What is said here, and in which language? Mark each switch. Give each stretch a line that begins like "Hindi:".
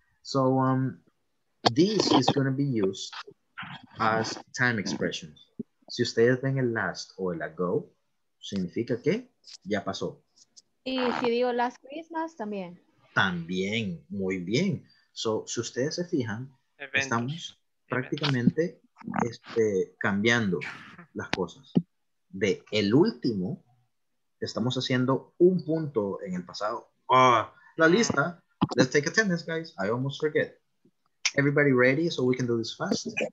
English: So this is going to be used as time expressions.
Spanish: Si ustedes ven el last o el ago, significa que ya pasó. Y si digo last Christmas, también. También, muy bien. So, si ustedes se fijan, Avengers. Estamos prácticamente cambiando las cosas. De el último, estamos haciendo un punto en el pasado.
English: Oh,
Spanish: la lista.
English: Let's take attendance, guys. I almost forget. Everybody ready so we can do this fast?